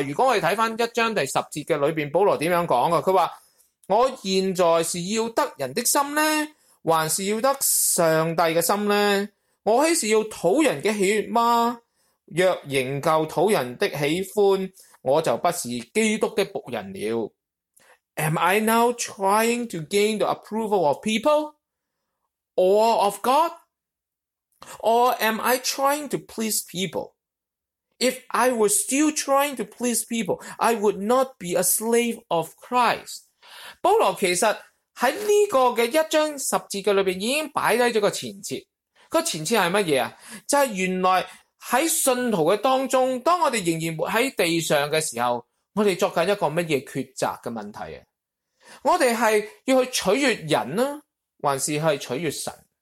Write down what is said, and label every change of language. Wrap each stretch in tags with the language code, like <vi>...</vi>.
<yue>如果我哋睇翻一章第十节嘅里面，保罗点样讲啊？佢话：我现在是要得人的心呢，还是要得上帝嘅心呢？我岂是要讨人嘅喜悦吗？若仍旧讨人的喜欢，我就不是基督的仆人了。</yue> <en>Am I now trying to gain the approval of people or of God? Or am I trying to please people? If I were still trying to please people, I would not be a slave of Christ.</en> <yue>保罗其实在这个一章十节里面已经摆下了个前设。个前设是什么？就是原来喺信徒嘅当中，当我哋仍然活喺地上嘅时候，我哋作紧一个乜嘢抉择嘅问题？我哋系要去取悦人啦，还是系取悦神？</yue>